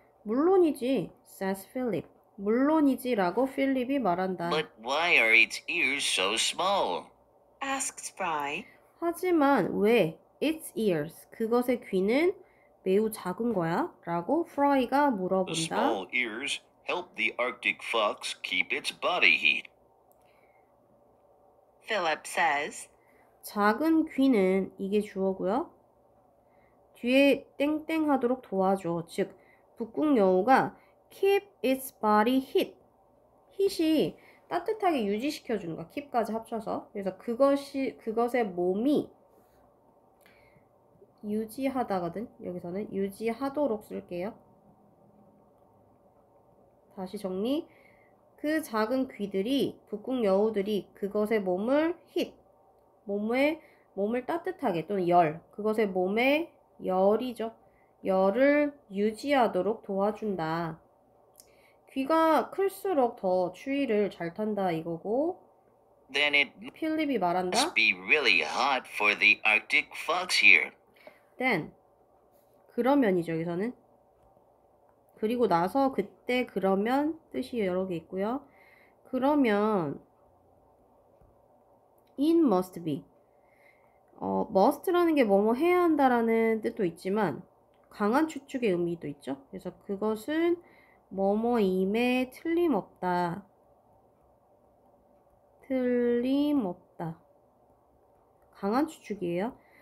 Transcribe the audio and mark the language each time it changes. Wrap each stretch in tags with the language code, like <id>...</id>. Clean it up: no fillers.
<ko>물론이지,</ko> <en>says Philip.</en> <ko>물론이지라고 필립이 말한다.</ko> <en>But why are its ears so small? asks Fry.</en> <ko>하지만 왜</ko> <en>its ears,</en> <ko>그것의 귀는 매우 작은 거야? 라고 프라이가</ko> <en>The</en> <ko>물어본다.</ko> <en>small ears help the Arctic fox keep its body heat. Philip says.</en> <ko>작은 귀는 이게 주어고요. 뒤에 땡땡 하도록 도와줘. 즉, 북극 여우가</ko> <en>keep its body heat.</en> <ko>heat이 따뜻하게 유지시켜주는 거야. keep까지 합쳐서. 그래서 그것의 몸이 유지하다거든. 여기서는 유지하도록 쓸게요. 다시 정리. 그 작은 귀들이, 북극 여우들이 그것의 몸을 heat. 몸을 따뜻하게 또는 열. 그것의 몸에 열이죠. 열을 유지하도록 도와준다. 귀가 클수록 더 추위를 잘 탄다 이거고.</ko> <en>Then it</en> <ko>Philip이 말한다.</ko> <en>must be really hot for the Arctic fox here.</en> <ko>Then 그러면이죠 여기서는. 그리고 나서 그때 그러면 뜻이 여러 개 있고요. 그러면 in must be. must라는 게 뭐뭐 해야 한다라는 뜻도 있지만 강한 추측의 의미도 있죠. 그래서 그것은 뭐뭐임에 틀림없다. 틀림없다. 강한 추측이에요.</ko>